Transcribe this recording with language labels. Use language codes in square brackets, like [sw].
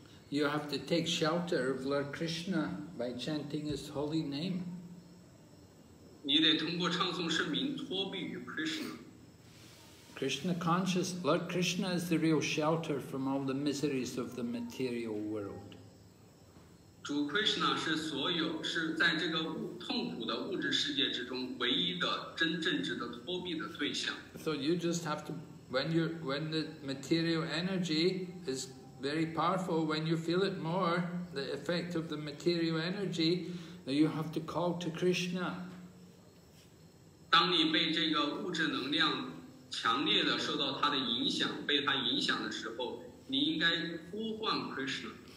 [en] You have to take shelter of Lord Krishna by chanting his holy name. [zh] 你得通过唱诵圣名托庇于 Krishna. [en] Krishna conscious, Lord Krishna is the real shelter from all the miseries of the material world. [zh] 主 Krishna 是所有是在这个痛苦的物质世界之中唯一的真正值得托庇的对象。 [en] So you just have to, when the material energy is very powerful, when you feel it more, the effect of the material energy, then you have to call to Krishna. [zh] 当你被这个物质能量强烈的受到它的影响，被它影响的时候，你应该呼唤 Krishna。